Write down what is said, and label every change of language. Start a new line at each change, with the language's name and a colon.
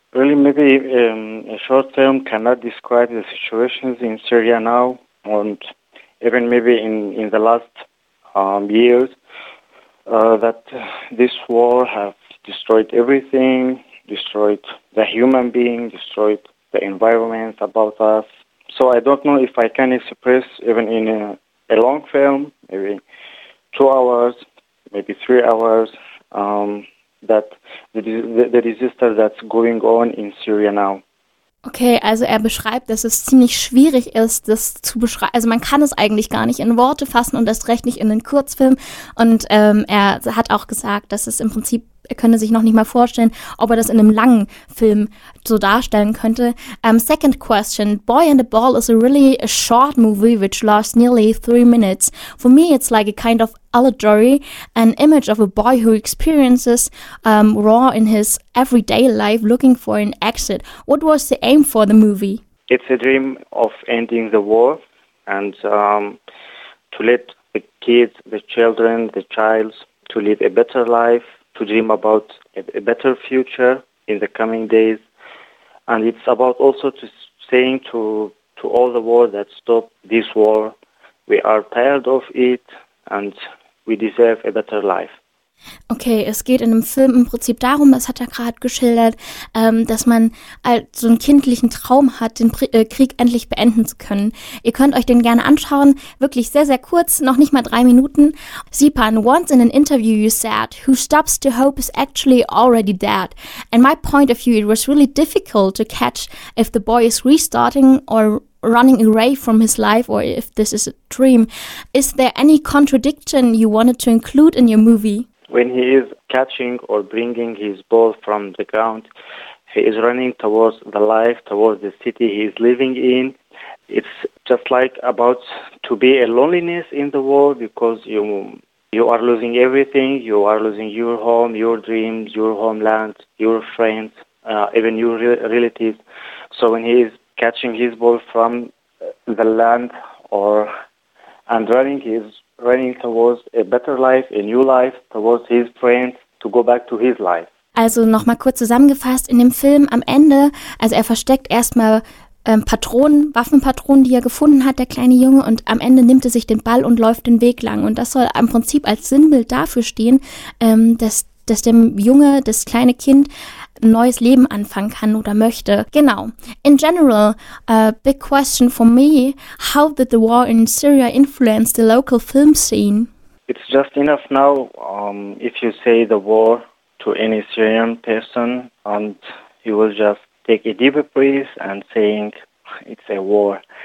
English: Really, maybe a short film cannot describe the situations in Syria now and even maybe in the last years that this war has destroyed everything, destroyed the human being, destroyed the environment about us. So I don't know if I can express even in a long film, maybe 2 hours, maybe 3 hours, that the resistance that's going on in Syria now.
German: Okay, also er beschreibt, dass es ziemlich schwierig ist, das zu beschreiben. Also man kann es eigentlich gar nicht in Worte fassen und erst recht nicht in einen Kurzfilm. Und er hat auch gesagt, dass es im Prinzip, er könnte sich noch nicht mal vorstellen, ob er das in einem langen Film so darstellen könnte.
English: Second question. Boy and the Ball is a really a short movie which lasts nearly 3 minutes. For me, it's like a kind of allegory, an image of a boy who experiences war in his everyday life looking for an exit. What was the aim for the movie? It's a dream of ending the war and to let the kids, the children, the child to live a better life, to dream about a better future in the coming days. And it's about also to saying to all the world that stop this war. We are tired of it and we deserve a better life.
German: Okay, es geht in dem Film im Prinzip darum, das hat er gerade geschildert, dass man so einen kindlichen Traum hat, den Krieg endlich beenden zu können. Ihr könnt euch den gerne anschauen, wirklich sehr, sehr kurz, noch nicht mal 3 Minuten.
English: Sipan, once in an interview you said, who stops the hope is actually already dead. And my point of view, it was really difficult to catch if the boy is restarting or running away from his life or if this is a dream. Is there any contradiction you wanted to include in your movie? When he is catching or bringing his ball from the ground, he is running towards the life, towards the city he is living in. It's just like about to be a loneliness in the world because you are losing everything. You are losing your home, your dreams, your homeland, your friends, even your relatives. So when he is catching his ball from the land and running his running towards a better life, a new life, towards his friends, to go back to his life.
German: Also nochmal kurz zusammengefasst, in dem Film am Ende, also er versteckt erstmal Waffenpatronen, die er gefunden hat, der kleine Junge, und am Ende nimmt er sich den Ball und läuft den Weg lang. Und das soll im Prinzip als Sinnbild dafür stehen, dass dem Junge, das kleine Kind, ein neues Leben anfangen kann oder möchte. Genau.
English: In general, a big question for me, how did the war in Syria influence the local film scene? It's just enough now if you say the war to any Syrian person and you will just take a deeper breath and saying it's a war.